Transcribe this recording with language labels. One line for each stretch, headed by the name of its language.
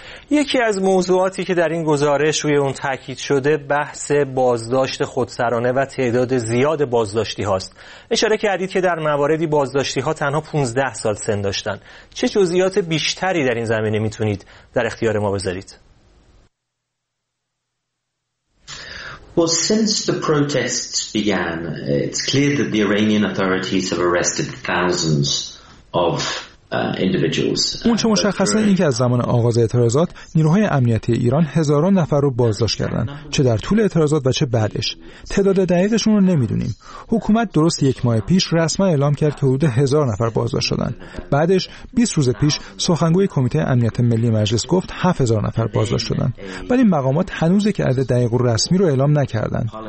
Persian: یکی از موضوعاتی که در این گزارش روی اون تاکید شده بحث بازداشت خودسرانه و تعداد زیاد بازداشتی هاست. اشاره کردید که در مواردی بازداشتی ها تنها 15 سال سن داشتن. چه جزئیات بیشتری در این زمینه میتونید در اختیار ما بذارید؟
English: Well, since the protests began, it's clear that the Iranian authorities have arrested thousands of
Persian: اون چه مشخصه این که از زمان آغاز اعتراضات نیروهای امنیتی ایران هزاران نفر رو بازداشت کردن، چه در طول اعتراضات و چه بعدش. تعداد دقیقشون رو نمیدونیم. حکومت درست یک ماه پیش رسما اعلام کرد که حدود 1000 نفر بازداشت شدن. بعدش 20 روز پیش سخنگوی کمیته امنیت ملی مجلس گفت 7000 نفر بازداشت شدن، ولی مقامات هنوز که عدد دقیق و رسمی رو اعلام نکردن.